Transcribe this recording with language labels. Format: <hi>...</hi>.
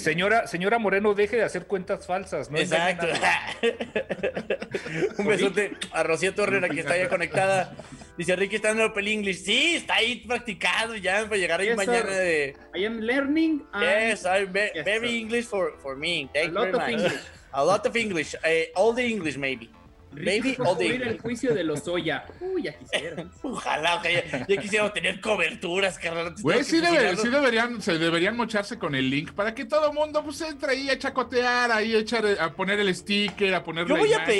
<es>Señora Moreno, deje de hacer cuentas falsas, ¿no? Exacto. Un besote a Rocío Torrera, que está ya conectada. Dice Ricky, está en Open English. Sí, está ahí practicado ya para llegar ahí, yes, mañana. De...</es> <en>I am learning. Yes, I'm very English for me. Thank you very much. A lot of English. All the English, maybe.</en> <es>Ricky va a cubrir el juicio de Lozoya. Uy, ya quisieron. Ojalá, okay, ya quisieron tener coberturas, carnal. Pues sí, deberían mocharse con el link para que todo mundo pues entre ahí a chacotear, ahí a poner el sticker, a poner la imagen.</es>